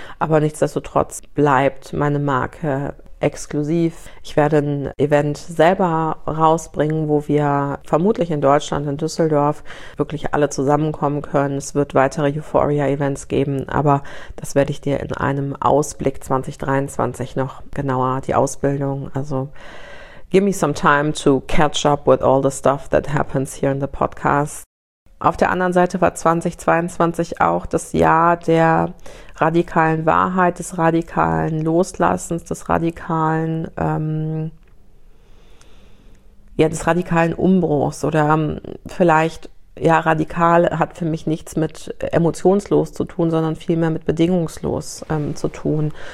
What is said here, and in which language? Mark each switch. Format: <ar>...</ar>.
<de>Aber nichtsdestotrotz bleibt meine Marke exklusiv. Ich werde ein Event selber rausbringen, wo wir vermutlich in Deutschland, in Düsseldorf, wirklich alle zusammenkommen können. Es wird weitere Euphoria-Events geben, aber das werde ich dir in einem Ausblick 2023 noch genauer, die Ausbildung.</de> <en>Also give me some time to catch up with all the stuff that happens here in the podcast.</en> <de>Auf der anderen Seite war 2022 auch das Jahr der radikalen Wahrheit, des radikalen Loslassens, des radikalen des radikalen Umbruchs oder vielleicht, ja, radikal hat für mich nichts mit emotionslos zu tun, sondern vielmehr mit bedingungslos zu tun.</de>